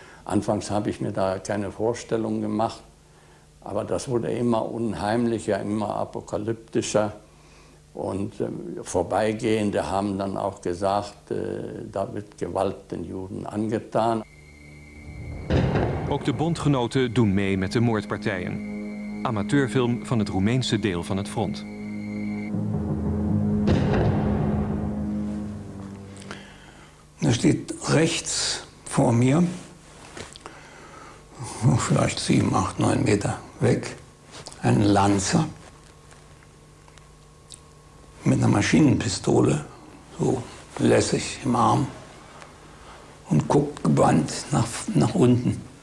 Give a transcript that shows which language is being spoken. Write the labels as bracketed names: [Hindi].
[German] Anfangs habe ich mir da keine Vorstellung gemacht, aber das wurde immer unheimlicher, immer apokalyptischer. Und Vorbeigehende haben dann auch gesagt, da wird Gewalt den Juden angetan. [Dutch] Ook de bondgenoten doen mee met de moordpartijen. Amateurfilm van het Roemeense deel van het front. [German] Da steht rechts vor mir, vielleicht 7, 8, 9 Meter weg, ein Lanzer. mit einer Maschinenpistole, so lässig im Arm, und guckt gebannt nach unten.